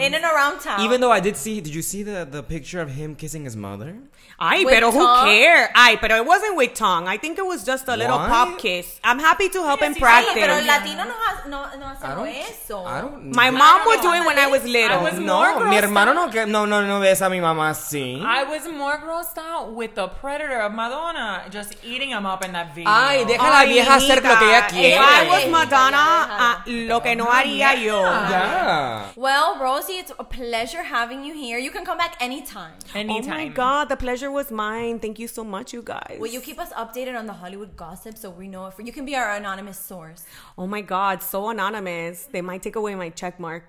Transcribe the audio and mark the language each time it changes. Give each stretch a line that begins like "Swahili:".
English: In and around town. Even though I did see, did you see the picture of him kissing his mother?
Spanish: Ay, pero
English: who care?
Spanish: Ay, pero
English: it wasn't with tongue. I think it was just a little pop kiss. I'm happy to help him practice.
Spanish: Pero el latino no hace eso.
English: I don't know. My mom would do it when I was little. I was
Spanish: no, mi hermano no besa a mi mamá así.
English: I was more grossed out with the predator of Madonna just eating him up in that video.
Spanish: Ay, deja la vieja hacer lo que ella quiere.
English: If I was Madonna,
Spanish: lo que no haría yo.
English: Yeah. Well, Rosie, it's a pleasure having you here. You can come back anytime. Anytime. Oh my God, the pleasure was mine. Thank you so much, you guys. Will you keep us updated on the Hollywood gossip so we know if you can be our anonymous source? Oh my God, so anonymous. They might take away my check mark.